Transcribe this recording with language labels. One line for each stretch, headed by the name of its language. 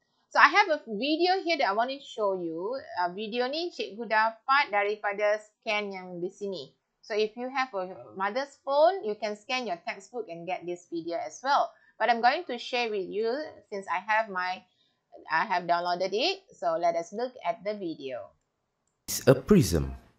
English: So, I have a video here that I want to show you.
Malay: Video ni cikgu dapat daripada scan yang di sini.
English: So, if you have a mother's phone, you can scan your textbook and get this video as well. But I'm going to share with you since I have downloaded it. So, let us look at the video. It's a prism.